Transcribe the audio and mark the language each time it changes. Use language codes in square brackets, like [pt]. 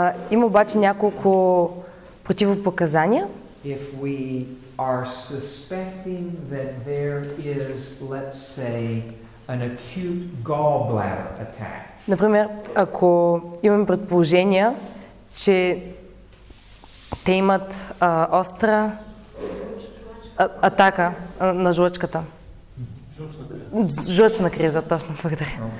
[bg] Има обаче няколко противопоказания. [en] If we are suspecting that there is, let's say, an acute gallbladder attack. [bg] Например, ако имаме предположения, че те имат остра атака на жлъчката. Жлъчна криза, точно, благодаря.